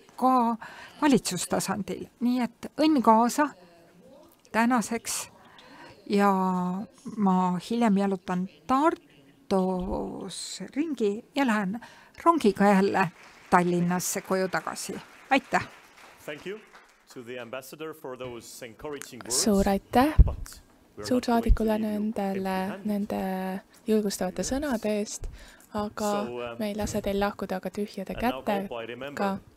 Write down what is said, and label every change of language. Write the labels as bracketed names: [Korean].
[Estonian] ka valitsustasandil. Nii et õnn kaasa tänaseks ja ma hiljem jalutan Tartus ringi ja lähen rongiga jälle Tallinnasse koju tagasi. Aitäh! [English] Thank you to the ambassador for those encouraging words. [Estonian] Suur aitäh! Suur saadikule nende julgustavate sõnade eest, aga me ei lase teil lahkuda aga tühjade kätte ka.